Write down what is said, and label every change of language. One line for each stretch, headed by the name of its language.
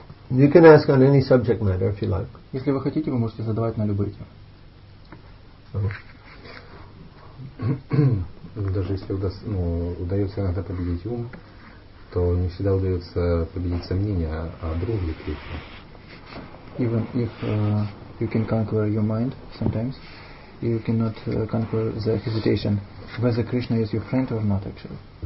English: You can ask on any subject matter if you like.
Russian: Если вы хотите, вы можете задавать на любые темы. Даже если удается иногда победить ум, то не всегда удается победить сомнения о друге Кришне.
English: Even if you can conquer your mind sometimes, you cannot conquer the hesitation whether Krishna is your friend or not, actually.